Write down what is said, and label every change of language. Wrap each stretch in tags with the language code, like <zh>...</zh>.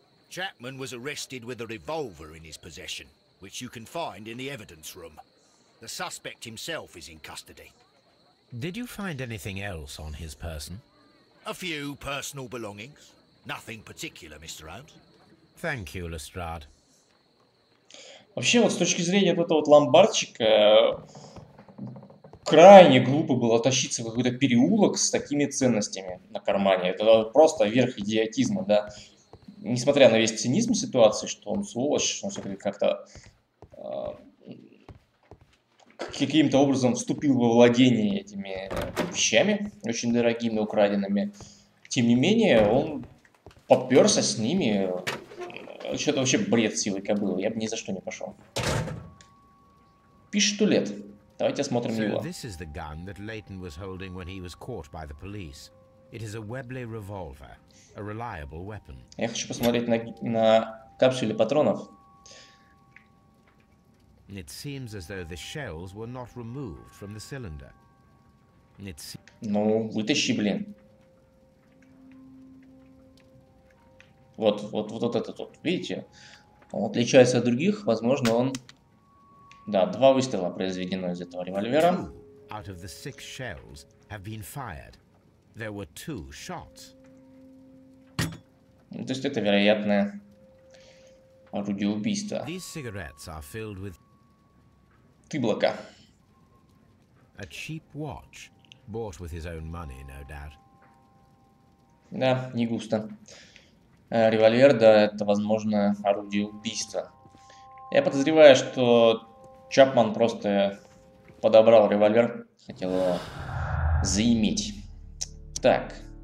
<en>Chapman was arrested with a revolver in his possession, which you can find in the evidence room. The suspect himself is in custody. Did you find anything else on his person? A few personal belongings. Nothing particular, Mr. Holmes. Thank you, Lestrade.</en> <ru>Вообще, вот с точки зрения этого вот ломбардчика, крайне глупо было тащиться в какой-то переулок с такими ценностями на кармане. Это просто верх идиотизма, да. Несмотря на весь цинизм ситуации, что он сволочь, он все-таки как-то каким-то образом вступил во владение этими вещами, очень дорогими, украденными. Тем не менее, он поперся с ними. Что-то вообще бред силы кобылы. Я бы ни за что не пошел. Пиштулет. Давайте осмотрим его.</ru> <en>This is the gun that Leighton was holding when he was caught by the police. It is a Webley revolver, a reliable weapon.</en> <ru>Я хочу посмотреть на капсуле патронов.</ru> <en>It seems as though the shells were not removed from the cylinder.</en> <ru>Ну, вытащи, блин. Вот этот вот, видите? Он отличается от других, возможно, он... Да, два выстрела произведено из этого револьвера.</ru> <en>Out of the six shells have been fired. There were two shots.</en> <ru>Ну, то есть это вероятное орудие убийства.</ru> <en>These cigarettes are filled with...</en> <ru>Тыблока.</ru> <en>A cheap watch, bought with his own money, no doubt.</en> <ru>Да, не густо. Револьвер, да, это, возможно, орудие убийства. Я подозреваю, что Чапман просто подобрал револьвер, хотел его заиметь. Так.</ru>